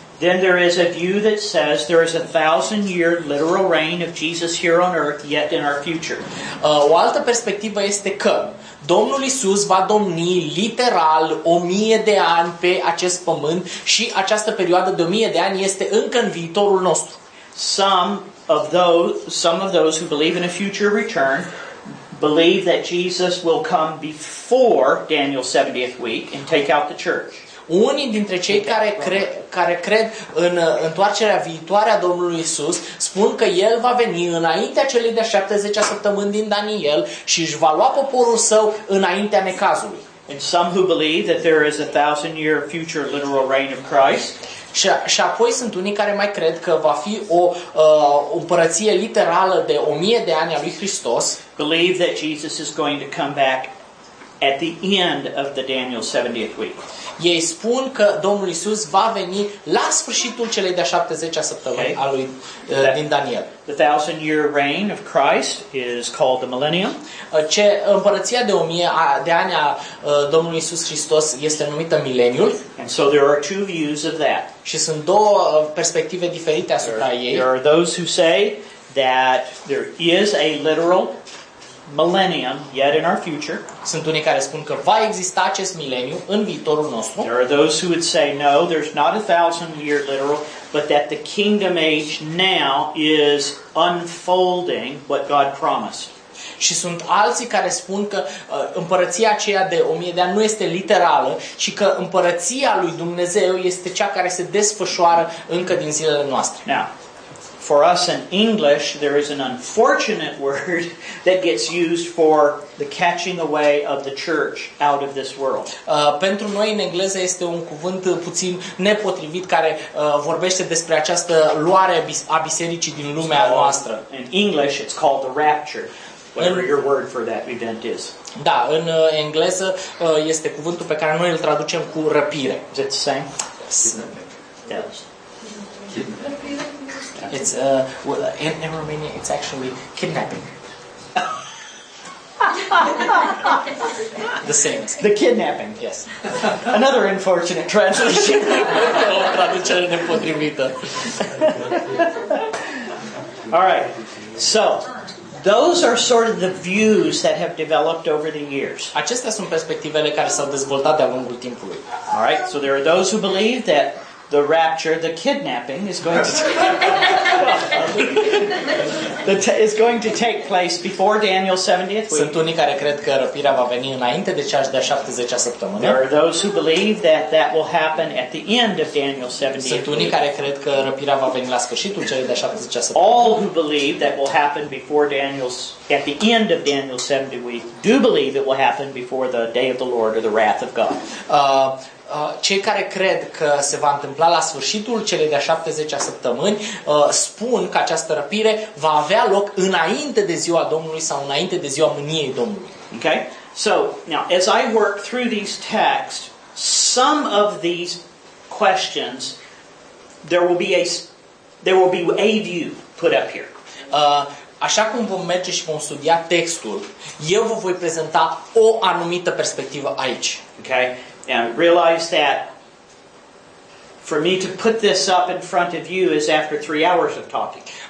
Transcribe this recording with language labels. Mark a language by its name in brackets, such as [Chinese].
[English] Then there is a view that says there is a 1000-year literal reign of Jesus here on earth yet in our future. [Romanian] O altă perspectivă este că Domnul Iisus va domni literal 1000 de ani pe acest pământ și această perioadă de 1000 de ani este încă în viitorul nostru. [English] Some of those who believe in a future return believe that Jesus will come before Daniel's 70th week and take out the church. [Romanian] Unii dintre cei care cred în întoarcerea viitoare a Domnului Iisus spun că El va veni înaintea celei de-a 70-a săptămâni din Daniel și își va lua poporul său înaintea necazului. [English] And some who believe that there is a 1000-year future literal reign of Christ. [Romanian] Și apoi sunt unii care mai cred că va fi o împărăție literală de 1000 de ani a lui Hristos. [English] Believe that Jesus is going to come back at the end of the Daniel 70th week. [Romanian] Ei spun că Domnul Iisus va veni la sfârșitul celei de-a 70-a săptămâni a lui din Daniel. [English] The 1000-year reign of Christ is called the millennium. [Romanian] Împărăția de 1000 de ani a Domnului Iisus Hristos este numită mileniul. [English] And so there are two views of that. [Romanian] Și sunt două perspective diferite asupra ei. [English] There are those who say that there is a literal millennium yet in our future. [Romanian] Sunt unii care spun că va exista acest mileniu în viitorul nostru. [English] There are those who would say no, there's not a 1000-year literal, but that the kingdom age now is unfolding what God promised. [Romanian] Și sunt alții care spun că împărăția aceea de 1000 de ani nu este literală, ci că împărăția lui Dumnezeu este cea care se desfășoară încă din zilele noastre. [English] Now, for us in English, there is an unfortunate word that gets used for the catching away of the church out of this world. [Romanian] Pentru noi în engleză este un cuvânt puțin nepotrivit care vorbește despre această luare a bisericii din lumea noastră. [English] In English, it's called the rapture. Whatever your word for that event is. [Romanian] Da, în engleză este cuvântul pe care noi îl traducem cu răpire. [English] Is it the same? Yes. Yes. It's in Romania it's actually kidnapping. The same. The kidnapping, yes. Another unfortunate translation. [Romanian] O traducere nepotrivită. [English] All right. So those are sort of the views that have developed over the years. [Romanian] Acestea sunt perspectivele care s-au dezvoltat de-a lungul timpului. [English] All right, so there are those who believe that the rapture, the kidnapping, is going to take place before Daniel 70th week. [Romanian] Sunt unii care cred că răpirea va veni înainte de cea de-a 70-a săptămână. [English] There are those who believe that that will happen at the end of Daniel 70th week. [Romanian] Sunt unii care cred că răpirea va veni la sfârșitul celei de-a 70-a săptămână. [English] All who believe that will happen before Daniel's at the end of Daniel 70 week do believe it will happen before the day of the Lord or the wrath of God. [Romanian] Cei care cred că se va întâmpla la sfârșitul celei de-a 70-a săptămâni spun că această răpire va avea loc înainte de ziua Domnului sau înainte de ziua mâniei Domnului. [English] Okay? So, now, as I work through these texts, some of these questions, there will be a view put up here. [Romanian] Așa cum vom merge și vom studia textul, eu vă voi prezenta o anumită perspectivă aici. [English] Okay? And realize that for me to put this up in front of you is after 3 hours of talking.